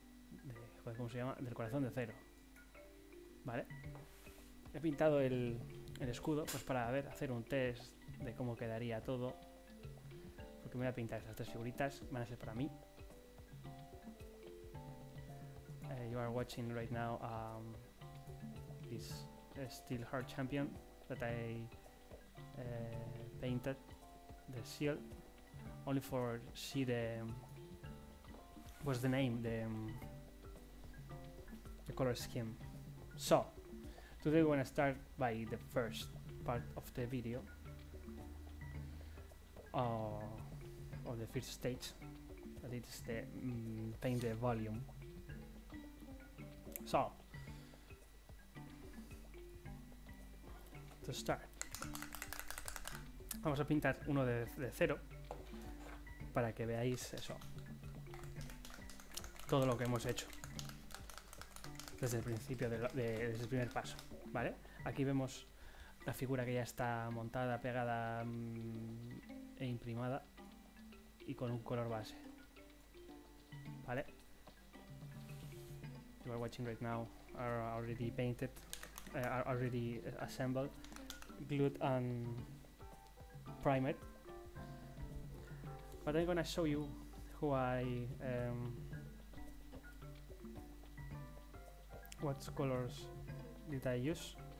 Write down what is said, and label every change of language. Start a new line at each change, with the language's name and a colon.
Spanish: De, joder, ¿cómo se llama? Del corazón de acero. ¿Vale? He pintado el escudo pues para ver, hacer un test de cómo quedaría todo. Porque me voy a pintar estas tres figuritas, van a ser para mí.
English: You are watching right now this Steelheart Champion that I painted the seal only for see the what's the name, the color scheme. So today we're gonna start by the first part of the video, or the first stage, that it's the paint the volume. So to start,
Spanish: vamos a pintar uno de cero para que veáis eso, todo lo que hemos hecho desde el principio, desde el primer paso, ¿vale? Aquí vemos la figura que ya está montada, pegada e imprimada y con un color base, ¿vale?
English: You are watching right now, are already painted, are already assembled, glued and primed. But I'm gonna show you who I what colors did I use.